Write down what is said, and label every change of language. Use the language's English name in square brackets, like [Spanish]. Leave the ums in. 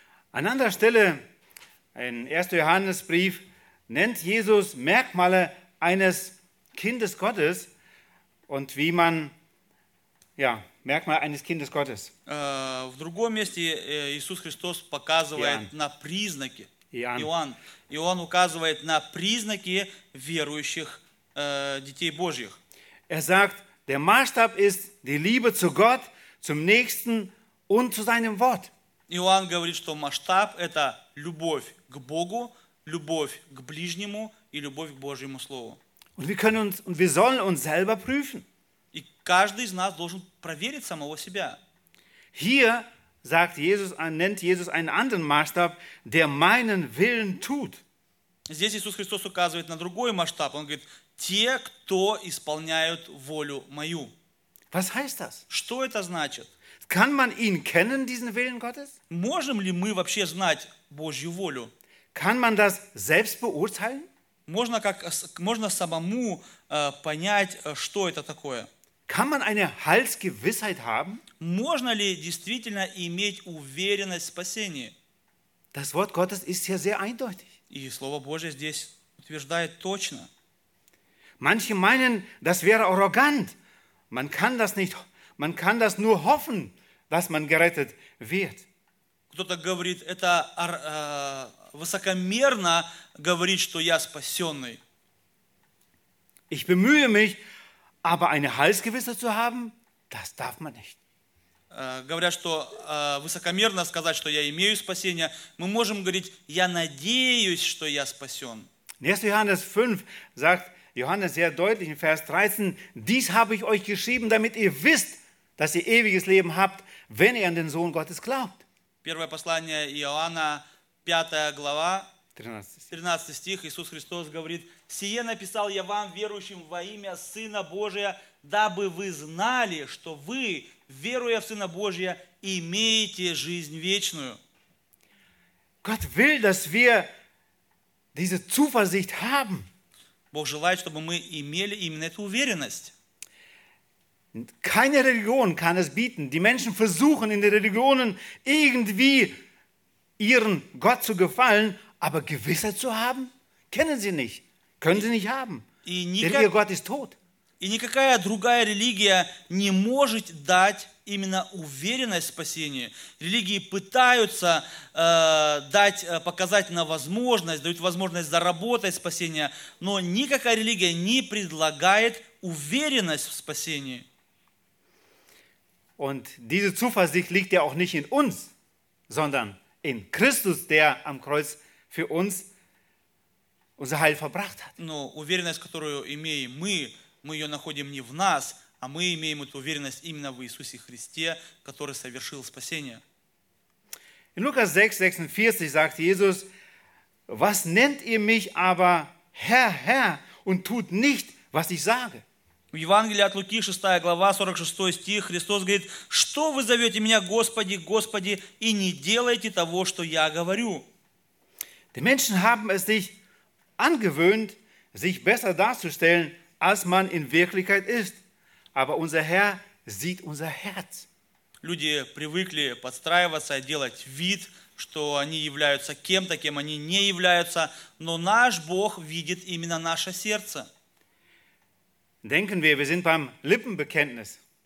[German] an anderer Stelle, ein Erster Johannesbrief, nennt Jesus Merkmale eines Kindes Gottes und wie man, ja, Merkmal eines Kindes Gottes. [Russian] В другом месте Иисус Христос показывает на признаки. Иоанн. И он указывает на признаки верующих детей Божьих. [German] Er sagt, der Maßstab ist die Liebe zu Gott, zum Nächsten und zu seinem Wort. [Russian] Иоанн говорит, что масштаб – это любовь к Богу, любовь к ближнему и любовь к Божьему Слову. [German] Und wir können uns, und wir sollen uns selber [Russian] И каждый из нас должен проверить самого себя. [German] Hier sagt Jesus, nennt Jesus einen anderen Maßstab, der meinen Willen tut. [Russian] Здесь Иисус Христос указывает на другой масштаб. Он говорит, те, кто исполняют волю мою. [German] Was heißt [Russian] das? Что это значит? [German] Kann man ihn kennen, diesen Willen Gottes? [Russian] Можем ли мы вообще знать Божью волю? [German] Kann man das selbst beurteilen? [Russian] Можно, как, можно самому äh, понять, что это такое? [German] Kann man eine Halsgewissheit haben? [Russian] Можно ли действительно иметь уверенность в спасении? [German] Das Wort Gottes ist hier sehr eindeutig. [Russian] И Слово Божье здесь утверждает точно. [German] Manche meinen, das wäre arrogant. Man kann das nicht, man kann das nur hoffen. dass man gerettet wird. [Russian] Кто-то говорит, это э, высокомерно говорить, что я спасенный. [German] Ich bemühe mich, aber eine Halsgewisse zu haben, das darf man nicht. [Russian] Äh, говорят, что äh, высокомерно сказать, что я имею спасение, мы можем говорить, я надеюсь, что я спасен. [German] 1. Johannes 5 sagt Johannes sehr deutlich in Vers 13, dies habe ich euch geschrieben, damit ihr wisst, dass ihr ewiges Leben habt, wenn ihr an den Sohn Gottes glaubt. [Russian] Первое послание Иоанна, 5 глава, 13. стих, Иисус Христос говорит, «Сие написал я вам, верующим во имя Сына Божия, дабы вы знали, что вы, веруя в Сына Божия, имеете жизнь вечную». [German] Gott will, dass wir diese Zuversicht haben. [Russian] Бог желает, чтобы мы имели именно эту уверенность. [German] Keine Religion kann es bieten. Die Menschen versuchen in den Religionen irgendwie ihren Gott zu gefallen, aber Gewissheit zu haben, kennen sie nicht, können sie nicht haben. Denn ihr nika- Gott ist tot. [Russian] И никакая другая религия не может дать именно уверенность в спасении. Религии пытаются э, äh, дать, показать на возможность, дают возможность заработать спасение, но никакая религия не предлагает уверенность в спасении. [German] Und diese Zuversicht liegt ja auch nicht in uns, sondern in Christus, der am Kreuz für uns unser Heil verbracht hat. [Russian] Но уверенность, которую имеем мы, мы ее находим не в нас, а мы имеем эту уверенность именно в Иисусе Христе, который совершил спасение. [German] In Lukas 6:46 sagt Jesus: Was nennt ihr mich aber Herr, Herr und tut nicht, was ich sage? [Russian] В Евангелии от Луки, 6 глава, 46 стих, Христос говорит, «Что вы зовете меня, Господи, Господи, и не делайте того, что я говорю?» [German] Die Menschen haben es sich angewöhnt, sich besser darzustellen, als man in Wirklichkeit ist. Aber unser Herr sieht unser Herz. [Russian] Люди привыкли подстраиваться, делать вид, что они являются кем-то, кем они не являются, но наш Бог видит именно наше сердце. [German] Denken wir, wir sind beim Lippenbekenntnis.